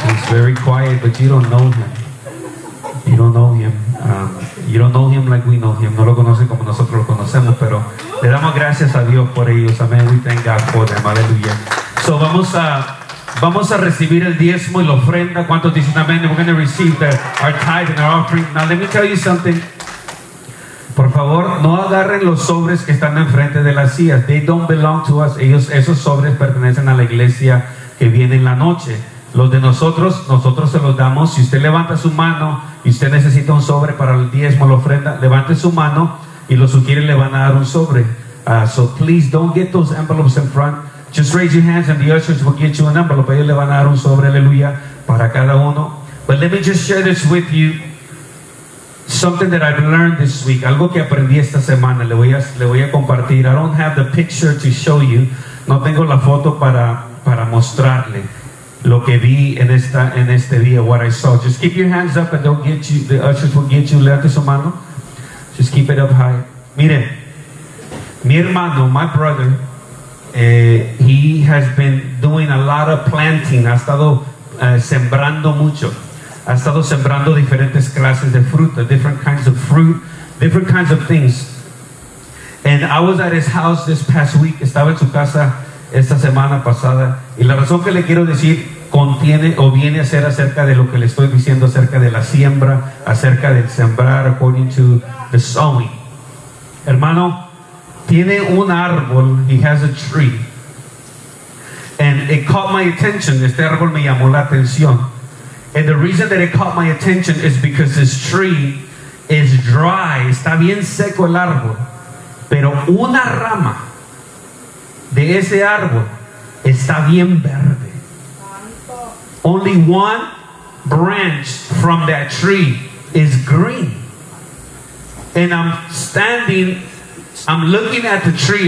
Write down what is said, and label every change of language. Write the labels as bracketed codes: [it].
[en] He's very quiet, but you don't know him. You don't know him. You don't know him like we know him. [es] No lo conocen como nosotros lo conocemos, pero le damos gracias a Dios por ellos. Amen. [en] We thank God for them. [es] Aleluya. So vamos a recibir el diezmo y la ofrenda. ¿Cuántos dicen amén? [en] We're going to receive our tithe and our offering. Now let me tell you something. [es] Por favor, no agarren los sobres que están enfrente de las sillas. [en] They don't belong to us. [es] Ellos, esos sobres pertenecen a la iglesia que viene en la noche. Los de nosotros, nosotros se los damos. Si usted levanta su mano y usted necesita un sobre para el diezmo, la ofrenda, levante su mano y los sugieren le van a dar un sobre. [en] So please don't get those envelopes in front. Just raise your hands and the ushers will get you an envelope. [es] Ellos le van a dar un sobre, aleluya, para cada uno. [en] But let me just share this with you. Something that I've learned this week. [es] Algo que aprendí esta semana. Le voy a compartir. [en] I don't have the picture to show you. [es] No tengo la foto para mostrarle lo que vi en este día. [en] What I saw. Just keep your hands up and don't get you. The ushers will get you. [es] Levante su mano. [en] Just keep it up high. [es] Mire, mi hermano, [en] my brother, he has been doing a lot of planting. [es] Ha estado sembrando mucho. Ha estado sembrando diferentes clases de fruta, [en] different kinds of fruit, different kinds of things. And I was at his house this past week. [es] Estaba en su casa esta semana pasada. Y la razón que le quiero decir contiene o viene a ser acerca de lo que le estoy diciendo acerca de la siembra, acerca del sembrar, [en] according to the sowing. [es] Hermano, tiene un árbol. [en] He has a tree. And it caught my attention. [es] Este árbol me llamó la atención. [en] And the reason that it caught my attention is because this tree is dry. [es] Está bien seco el árbol. Pero una rama de ese árbol está bien verde. [en] Only one branch from that tree is green. And I'm standing, I'm looking at the tree.